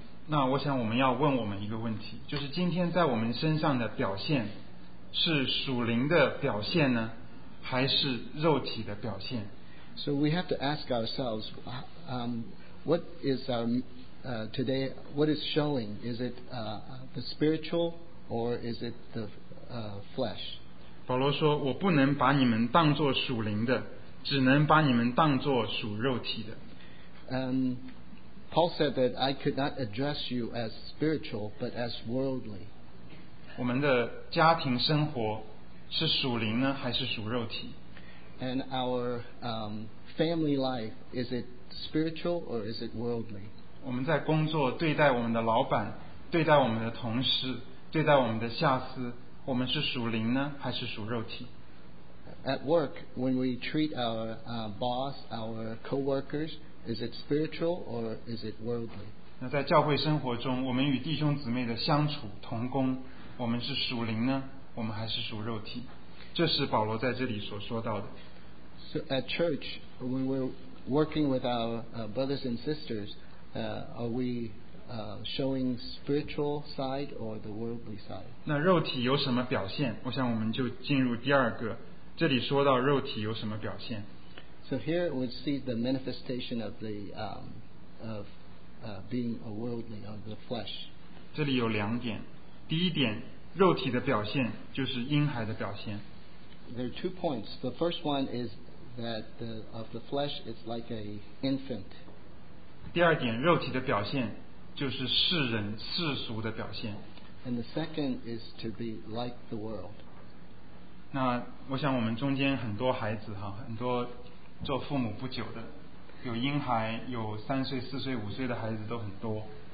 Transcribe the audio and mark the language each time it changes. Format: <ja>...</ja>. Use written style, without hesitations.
<zh>那我想我们要问我们一个问题，就是今天在我们身上的表现是属灵的表现呢，还是肉体的表现？</zh> <en>So we have to ask ourselves, what is our today, what is showing? Is it the spiritual or is it the flesh?</en> <zh>保罗说，我不能把你们当作属灵的，只能把你们当作属肉体的。</zh> <en>Paul said that I could not address you as spiritual, but as worldly.</en> <zh>我们的家庭生活是属灵呢还是属肉体。</zh> <en>And our family life, is it spiritual or is it worldly?</en> <zh>我们在工作对待我们的老板，对待我们的同事，对待我们的下司，我们是属灵呢还是属肉体？</zh> <en>At work, when we treat our boss, our co-workers, is it spiritual or is it worldly?</en> <zh>那在教会生活中，我们与弟兄姊妹的相处同工，我们是属灵呢我们还是属肉体？这是保罗在这里所说到的。</zh> <en>So at church, when we're working with our brothers and sisters, are we showing spiritual side or the worldly side?</en> <zh>那肉体有什么表现？我想我们就进入第二个，这里说到肉体有什么表现。</zh> <en>So here we see the manifestation of the of being a worldly or the flesh.</en> <zh>这里有两点，第一点，肉体的表现就是婴孩的表现。</zh> <en>There are two points. The first one is that the, of the flesh is like an infant.</en> <zh>第二点，肉体的表现就是世人世俗的表现。</zh> <en>And the second is to be like the world.</en> <zh>那我想我们中间很多孩子哈，很多做父母不久的，有婴孩，有三岁、四岁、五岁的孩子都很多。</zh>